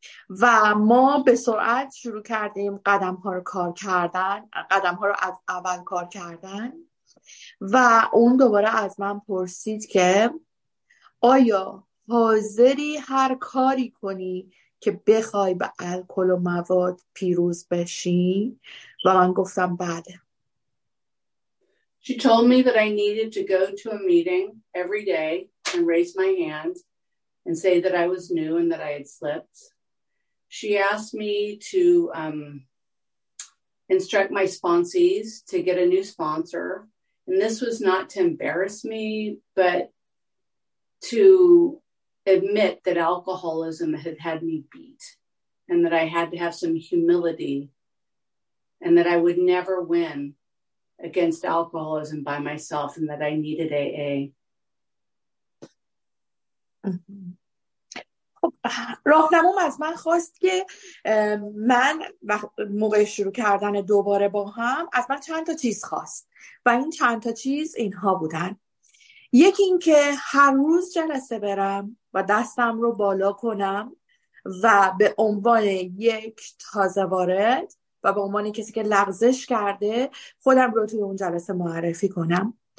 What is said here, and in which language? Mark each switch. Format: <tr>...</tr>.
<fa>و ما به سرعت شروع کردیم قدم ها رو کار کردن، قدم ها رو از اول کار کردن. و اون دوباره از من پرسید که آیا حاضری هر کاری کنی که بخوای به الکل و مواد پیروز بشی؟ و من گفتم بله.</fa> <en>She told me that I needed to go to a meeting every day and raise my hand and say that I was new and that I had slipped. She asked me to instruct my sponsees to get a new sponsor. And this was not to embarrass me, but to admit that alcoholism had me beat and that I had to have some humility and that I would never win against alcoholism by myself and that I needed AA.</en> <fa>راهنمام از من خواست که من موقع شروع کردن دوباره با هم از من چند تا چیز خواست و این چند تا چیز اینها بودن. یکی این که هر روز جلسه برم و دستم رو بالا کنم و به عنوان یک تازه وارد و به عنوان کسی که لغزش کرده خودم رو توی اون جلسه معرفی کنم.</fa>